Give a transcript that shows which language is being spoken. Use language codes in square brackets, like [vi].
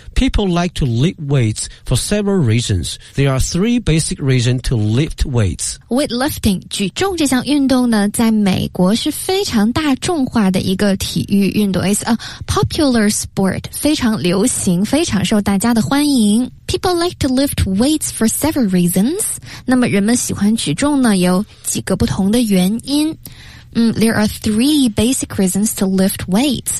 [en] People like to lift weights for several reasons. There are three basic reasons to lift weights. [zh] Weight lifting, 举重这项运动呢，在美国是非常大众化的一个体育运动。 [en] It's a popular sport, [zh] 非常流行，非常受大家的欢迎。 [en] People like to lift weights for several reasons. [zh] 那么人们喜欢举重呢，有几个不同的原因。 [en] There are three basic reasons to lift weights.